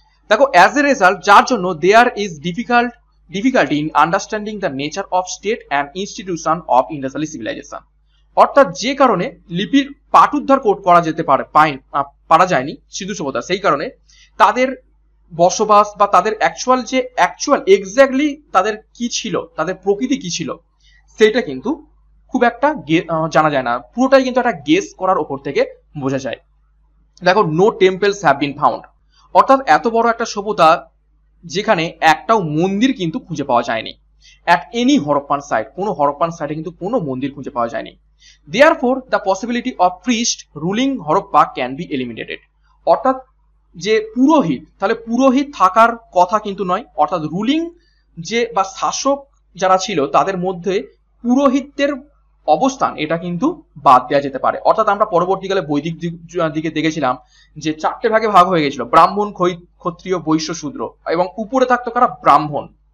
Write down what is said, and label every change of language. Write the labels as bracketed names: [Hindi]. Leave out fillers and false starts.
[Bangla] দেখো, [English] as a result, [Bangla] যার জন্য [English] there is difficulty in understanding the nature of state and institution of Indus valley civilisation, [Bangla] অর্থাৎ যে কারণে লিপির পাঠোদ্ধার কোট করা যেতে পারে পারা যায়নি সিন্ধু সভ্যতা, সেই কারণে তাদের বসবাস বা তাদের অ্যাকচুয়াল এক্স্যাক্টলি তাদের কি ছিল, তাদের প্রকৃতি কি ছিল, সেটা কিন্তু খুব একটা জানা যায় না, পুরোটাই কিন্তু একটা গেস করার উপর থেকে বোঝা যায়। দেখো, [English] no temples have been found, [Bangla] অর্থাৎ এত বড় একটা সভ্যতা যেখানে একটাও মন্দির কিন্তু খুঁজে পাওয়া যায়নি, [English] at any Harappan site, [Bangla] কোনো হরপ্পান সাইটে কিন্তু কোনো মন্দির খুঁজে পাওয়া যায়নি। [English] Therefore, the possibility of priest ruling Harappa can be eliminated. [Bangla] অর্থাৎ যে পুরোহিত, তাহলে পুরোহিত থাকার কথা কিন্তু নয়, অর্থাৎ রুলিং যে বা শাসক যারা ছিল তাদের মধ্যে পুরোহিতদের অবস্থান এটা কিন্তু বাদ দেওয়া যেতে পারে। অর্থাৎ আমরা পরবর্তীকালে বৈদিক দিকে দেখেছিলাম যে চারটে ভাগে ভাগ হয়ে গেছিল, ব্রাহ্মণ, ক্ষত্রিয়, বৈশ্য, শূদ্র, এবং উপরে থাকতো কারা, ব্রাহ্মণ।